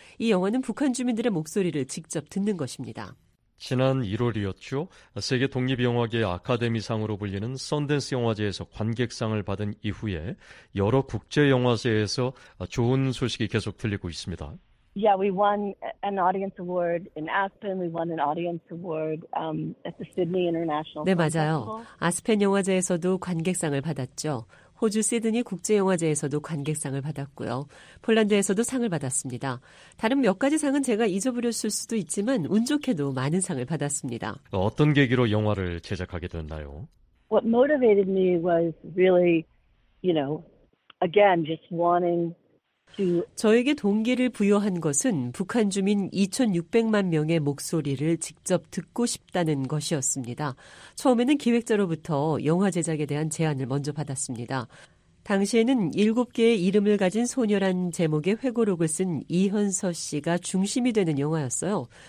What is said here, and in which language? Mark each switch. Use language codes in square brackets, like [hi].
[ko] 이 영화는 북한 주민들의 목소리를 직접 듣는 것입니다. 지난 1월이었죠. 세계 독립영화계 아카데미상으로 불리는 썬댄스 영화제에서 관객상을 받은 이후에 여러 국제영화제에서 좋은 소식이 계속 들리고 있습니다. [en] Yeah, we won an audience award in Aspen. We won an audience award at the Sydney International. [ko] 네, 맞아요. 아스펜 영화제에서도 관객상을 받았죠. 호주 시드니 국제영화제에서도 관객상을 받았고요. 폴란드에서도 상을 받았습니다. 다른 몇 가지 상은 제가 잊어버렸을 수도 있지만 운 좋게도 많은 상을 받았습니다. 어떤 계기로 영화를 제작하게 됐나요? [en] What motivated me was really, you know, again, just wanting [ko] 저에게 동기를 부여한 것은 북한 주민 2,600만 명의 목소리를 직접 듣고 싶다는 것이었습니다. 처음에는 기획자로부터 영화 제작에 대한 제안을 먼저 받았습니다. 당시에는 7개의 이름을 가진 소녀란 제목의 회고록을 쓴 이현서 씨가 중심이 되는 영화였어요.